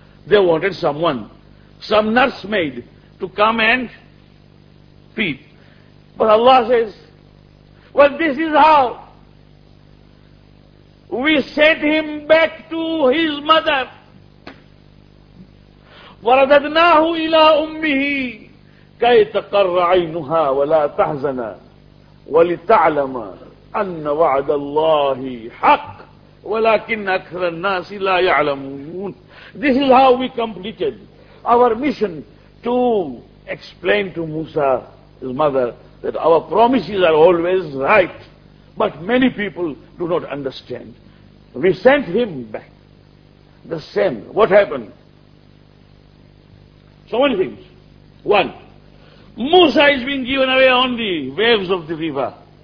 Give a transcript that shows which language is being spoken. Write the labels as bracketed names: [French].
[English] They wanted someone, some nursemaid, to come and feed. But Allah says, well, this is how. We sent him back to his mother. [Arabic] وَرَدَدْنَاهُ إِلَىٰ أُمِّهِ كَيْ تَقَرَّ عَيْنُهَا وَلَا تَحْزَنَا وَلِتَعْلَمَ أَنَّ وَعْدَ اللَّهِ حَقٌّ وَلَكِنَّ أَكْثَرَ النَّاسِ لَا يَعْلَمُونَ [English] This is how we completed our mission to explained to Musa, his mother, that our promises are always right, but many people do not understand. We sent him back. The same. What happened? So many things. One, Musa is being given away on the waves of the river.